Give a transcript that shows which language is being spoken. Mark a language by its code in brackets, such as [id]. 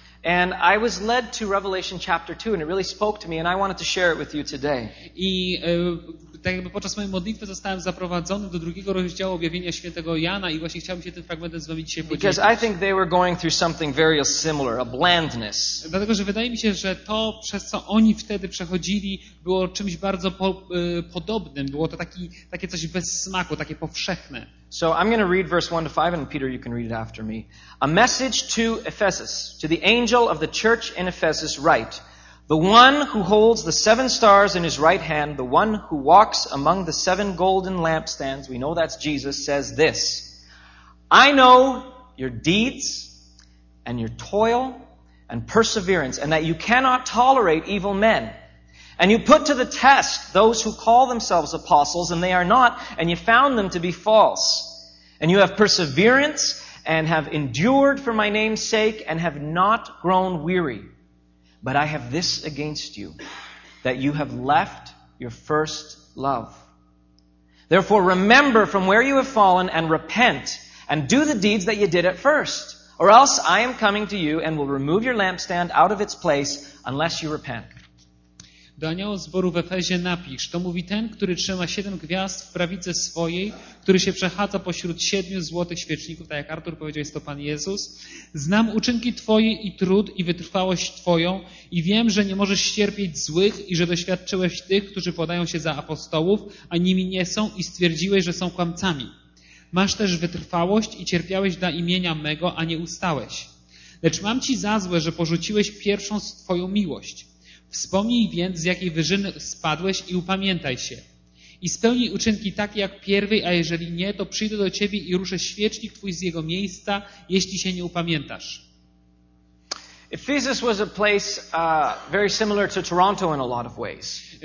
[en] And I was led to Revelation chapter 2 and it really spoke to me and I wanted to share it with you today. [pl] I tak jakby podczas mojej modlitwy zostałem zaprowadzony do drugiego rozdziału objawienia świętego Jana i właśnie chciałbym się tym fragmentem z wami dzisiaj podzielić. [en] Because I think they were going through something very similar, a blandness. [pl] Dlatego, że wydaje mi się, że to, przez co oni wtedy przechodzili, było czymś bardzo podobnym. Było to takie coś bez smaku, takie powszechne. [en] So I'm going to read verse 1 to 5 and Peter, you can read it after me. A message to Ephesus, to the angel of the church in Ephesus write, the one who holds the seven stars in his right hand, the one who walks among the seven golden lampstands, we know that's Jesus, says this, I know your deeds and your toil and perseverance and that you cannot tolerate evil men. And you put to the test those who call themselves apostles, and they are not, and you found them to be false. And you have perseverance and have endured for my name's sake and have not grown weary. But I have this against you, that you have left your first love. Therefore, remember from where you have fallen and repent and do the deeds that you did at first. Or else I am coming to you and will remove your lampstand out of its place unless you repent. [pl] Do anioła zboru w Efezie napisz, to mówi ten, który trzyma siedem gwiazd w prawicy swojej, który się przechadza pośród siedmiu złotych świeczników, tak jak Artur powiedział, jest to Pan Jezus. Znam uczynki Twoje i trud i wytrwałość Twoją i wiem, że nie możesz cierpieć złych i że doświadczyłeś tych, którzy podają się za apostołów, a nimi nie są i stwierdziłeś, że są kłamcami. Masz też wytrwałość i cierpiałeś dla imienia mego, a nie ustałeś. Lecz mam Ci za złe, że porzuciłeś pierwszą Twoją miłość. Wspomnij więc, z jakiej wyżyny spadłeś i upamiętaj się. I spełnij uczynki takie jak pierwej, a jeżeli nie, to przyjdę do ciebie i ruszę świecznik twój z jego miejsca, jeśli się nie upamiętasz. [en] Ephesus was a place very similar to Toronto in a lot of ways.